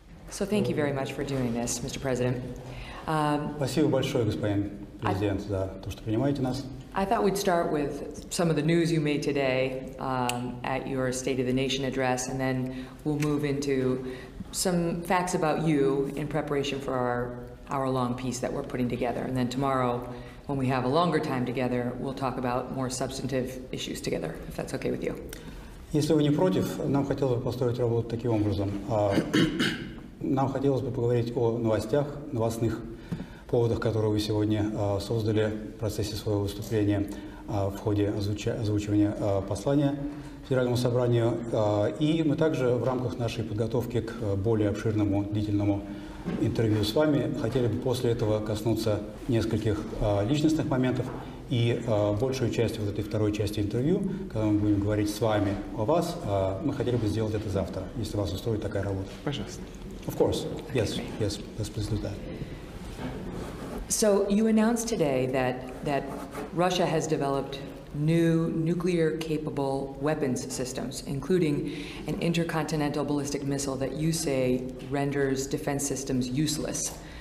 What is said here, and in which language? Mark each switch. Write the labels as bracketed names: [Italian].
[English] So thank you very much for doing this, Mr. President. [Russian] Спасибо большое, господин президент, за то, что принимаете нас. [English] I thought we'd start with some of the news you made today at your State of the Nation address, and then we'll move into some facts about you in preparation for our hour-long piece that we're putting together. And then tomorrow, when we have a longer time together, we'll talk about more substantive issues together, if that's okay with you. [Russian] Если вы не против, нам хотелось бы построить работу таким образом. Нам хотелось бы поговорить о новостях, новостных поводах, которые вы сегодня создали в процессе своего выступления в ходе озвучивания послания Федеральному собранию. И мы также в рамках нашей подготовки к более обширному, длительному интервью с вами хотели бы после этого коснуться нескольких личностных моментов. И большую часть вот этой второй части интервью, когда мы будем говорить с вами о вас, мы хотели бы сделать это завтра, если вас устроит такая работа. Пожалуйста. [English] Of course. Yes, yes. Let's please do that. So you announced today that Russia has developed new nuclear-capable weapons systems, including an intercontinental ballistic missile that you say renders defense systems useless.